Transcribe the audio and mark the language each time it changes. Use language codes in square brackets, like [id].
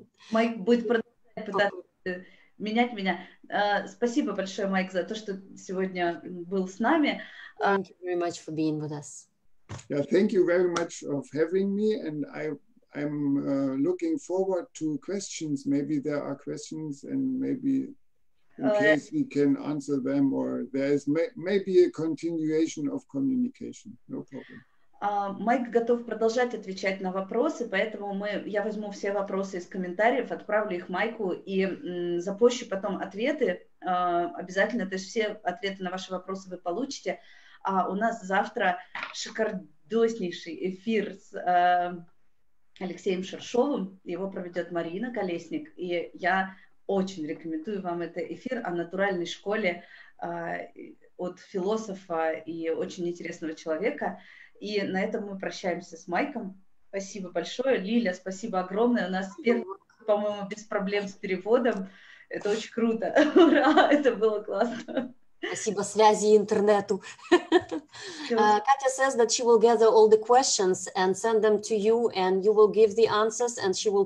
[ru] Майк будет продолжать пытаться менять меня. Спасибо большое, Майк, за то, что сегодня был с нами. [en] Thank you very much for being with us. Yeah, thank you very much for having me, and I'm looking forward to questions. Maybe there are questions, and maybe in case we can answer them, or there is maybe a continuation of communication. No problem. [ru] Майк готов продолжать отвечать на вопросы, поэтому я возьму все вопросы из комментариев, отправлю их Майку и запущу потом ответы. Обязательно, то есть все ответы на ваши вопросы вы получите. А у нас завтра шикардоснейший эфир с Алексеем Шершовым. Его проведет Марина Колесник. И я очень рекомендую вам этот эфир о натуральной школе от философа и очень интересного человека. И на этом мы прощаемся с Майком. Спасибо большое. Лиля, спасибо огромное. У нас первый, по-моему, без проблем с переводом. Это очень круто. Ура! Это было классно. Спасибо связи и интернету. [en] Катя says that she will gather all the questions and send them to you, and you will give the answers, and she will...